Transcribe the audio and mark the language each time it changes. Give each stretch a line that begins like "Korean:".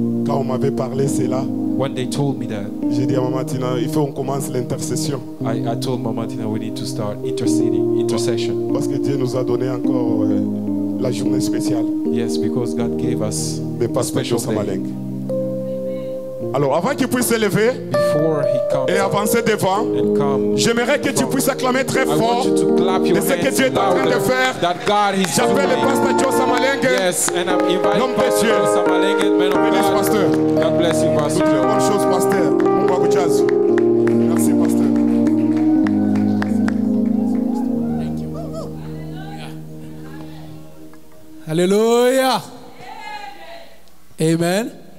English: When they told me that, I told Mama Tina we need to start intercession.
French: Parce que Dieu nous a donné encore la journée spéciale.
English: Yes, because God gave us a special day.
French: Alors avant qu'il puisse s'élever et avancer devant, j'aimerais que tu puisses acclamer très fort de ce que Dieu est en train de faire. J'appelle le pasteur Joe Samalenge.
English: Yes, and I'm inviting Pastor Joe Samalenge, man of God.
French: Pasteur.
English: God bless you, Pastor.
French: Toutes les bonnes choses, Pasteur. Merci, Pasteur.
English: Thank you. Hallelujah. Amen.